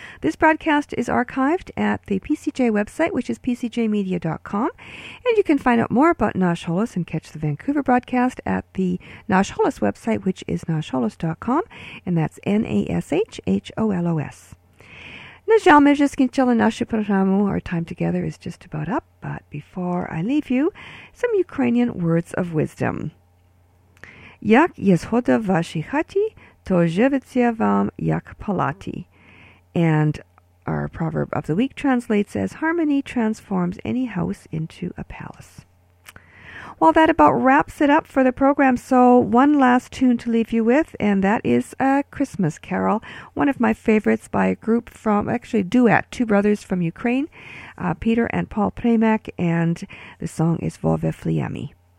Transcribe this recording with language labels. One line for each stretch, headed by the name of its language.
English: This broadcast is archived at the PCJ website, which is pcjmedia.com, and you can find out more about Nash Holos and catch the Vancouver broadcast at the Nash Holos website, which is nashholos.com, and that's NASHHOLOS. Our time together is just about up, but before I leave you, some Ukrainian words of wisdom.
Ukrainian: Як є згода в вашій хаті, то живеться вам як палаті.
English: And our proverb of the week translates as, harmony transforms any house into a palace. Well, that about wraps it up for the program. So one last tune to leave you with, and that is a Christmas carol, one of my favorites by a group from, actually duet, two brothers from Ukraine, Peter and Paul Premek, and the song is Vove Fliemi.